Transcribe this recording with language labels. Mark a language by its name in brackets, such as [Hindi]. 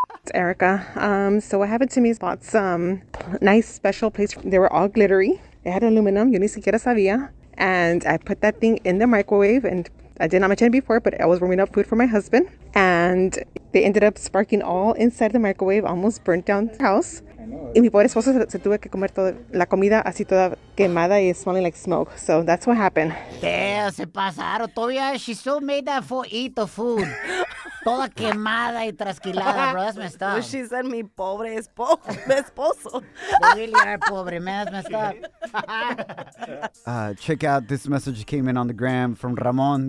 [English] It's Erica. So what happened to me is bought some nice special plates. They were all glittery. It had aluminum, [Spanish] yo ni siquiera sabía. [English] And I put that thing in the microwave, and I did not mention it before, but I was warming up food for my husband. And they ended up sparking all inside the microwave, almost burnt down the house. [Spanish] Y mi pobre esposo se tuvo que comer toda la comida así toda quemada y [English] smelling like smoke. So that's what happened. [Spanish] Damn, se pasaron todavía. [English] She still made that for eat the food. [Spanish] Toda quemada y trasquilada, bro. [English] That's messed up. Well, she said [Spanish] mi pobre esposo. [English] You really are pobre, man. That's messed up. Check out this message that came in on the gram from Ramon.